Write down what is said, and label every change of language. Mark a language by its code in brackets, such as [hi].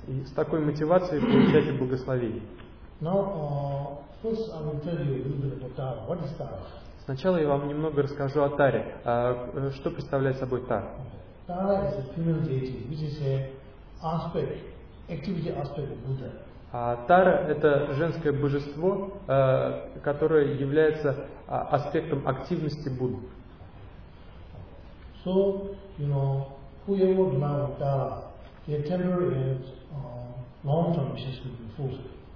[ru] И с такой мотивацией получайте благословение. [en] Now, first I will tell you a little bit about Tara. What is Tara? [ru] Сначала я вам немного расскажу о Таре. Что представляет собой Тара? [en] Tara is a female deity, which is an aspect, activity aspect of Buddha. [ru] Тара – это женское божество, которое является аспектом активности Будды. [en] So, you know, whoever loves Tara, their temporary and long-term wishes will be fulfilled.